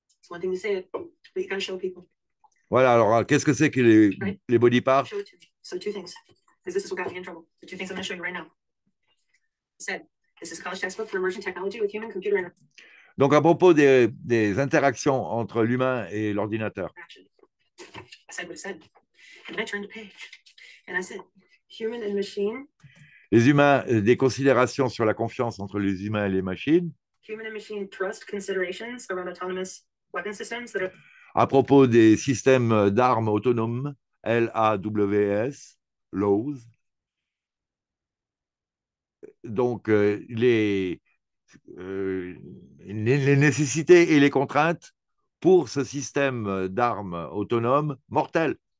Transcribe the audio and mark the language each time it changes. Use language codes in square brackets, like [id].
[en] One thing to say it, but you gotta show people. [fr] Voilà, alors qu'est-ce que c'est que les, right? Les [en] body parts? So two things, because this is what got me in trouble. The two things I'm gonna show you right now. I said, this is college textbook for immersion technology with human computer. [fr] Donc à propos des interactions entre l'humain et l'ordinateur. [en] I said what I said, and I turned the page, and I said, human and machine. [fr] Les humains, des considérations sur la confiance entre les humains et les machines. [en] Human and machine trust considerations around autonomous. [fr] À propos des systèmes d'armes autonomes, LAWS, LAWS, donc les nécessités et les contraintes pour ce système d'armes autonomes mortel.